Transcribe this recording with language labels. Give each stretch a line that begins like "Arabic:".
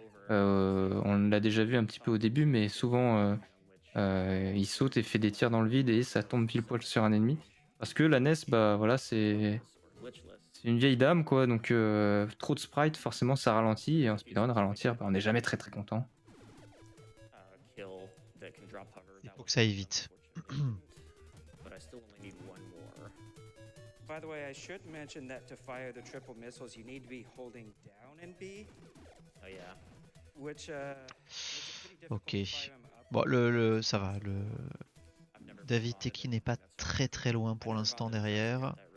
French: On l'a déjà vu un petit peu au début, mais souvent il saute et fait des tirs dans le vide et ça tombe pile poil sur un ennemi. Parce que la NES, bah voilà, c'est une vieille dame quoi, donc trop de sprites, forcément ça ralentit, et en speedrun, ralentir, bah, on n'est jamais très très content. Il faut que ça aille vite.
English: By the way, I should mention that to fire the triple missiles, you need to be holding down and B. Oh yeah. Which OK.
French: Bon, le ça va, le David Teki n'est pas très très loin pour l'instant derrière.